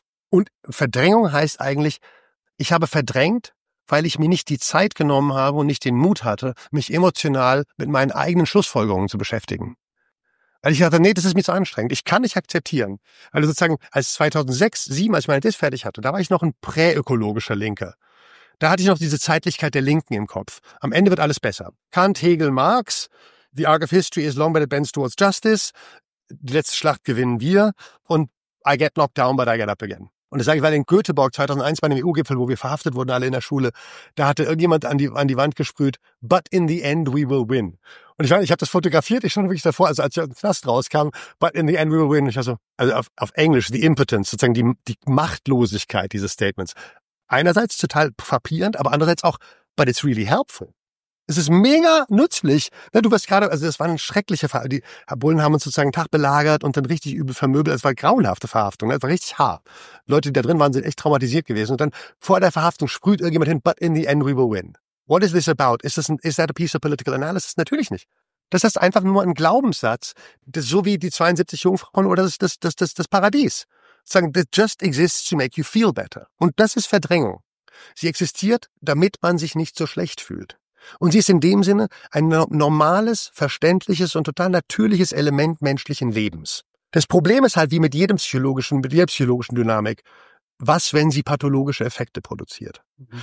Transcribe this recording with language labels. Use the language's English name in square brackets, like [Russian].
[German] Und Verdrängung heißt eigentlich, ich habe verdrängt, weil ich mir nicht die Zeit genommen habe und nicht den Mut hatte, mich emotional mit meinen eigenen Schlussfolgerungen zu beschäftigen. Weil ich dachte, nee, das ist mir zu anstrengend. Ich kann nicht akzeptieren. Also sozusagen als 2006, 2007, als ich meine Diss fertig hatte, da war ich noch ein präökologischer Linker. Da hatte ich noch diese Zeitlichkeit der Linken im Kopf. Am Ende wird alles besser. Kant, Hegel, Marx. [English] The arc of history is long, but it bends towards justice. [German] Die letzte Schlacht gewinnen wir. [English] Und I get knocked down, but I get up again. [German] Und das sage ich, weil in Göteborg 2001 bei einem EU-Gipfel, wo wir verhaftet wurden, alle in der Schule, da hatte irgendjemand an die Wand gesprüht, [English] but in the end we will win. [German] Und ich meine, ich habe das fotografiert, ich stand wirklich davor, also als ich aus dem Knast rauskam, [English] but in the end we will win. [German] Ich war so, also auf Englisch, [English] the impotence, [German] sozusagen die Machtlosigkeit dieses Statements. Einerseits total frappierend, aber andererseits auch, [English] but it's really helpful. [German] Es ist mega nützlich. Du wirst gerade, also das war eine schreckliche Verhaftung. Die Bullen haben uns sozusagen einen Tag belagert und dann richtig übel vermöbelt. Es war eine grauenhafte Verhaftung. Es war richtig hart. Die Leute, die da drin waren, sind echt traumatisiert gewesen. Und dann vor der Verhaftung sprüht irgendjemand hin, [English] but in the end we will win. What is this about? Is that a piece of political analysis? [German] Natürlich nicht. Das ist einfach nur ein Glaubenssatz. Das ist so wie die 72 Jungfrauen oder das Paradies. Sagen, [English] that just exists to make you feel better. [German] Und das ist Verdrängung. Sie existiert, damit man sich nicht so schlecht fühlt. Und sie ist in dem Sinne ein normales, verständliches und total natürliches Element menschlichen Lebens. Das Problem ist halt wie mit jedem psychologischen, mit jeder psychologischen Dynamik, was, wenn sie pathologische Effekte produziert? Mhm.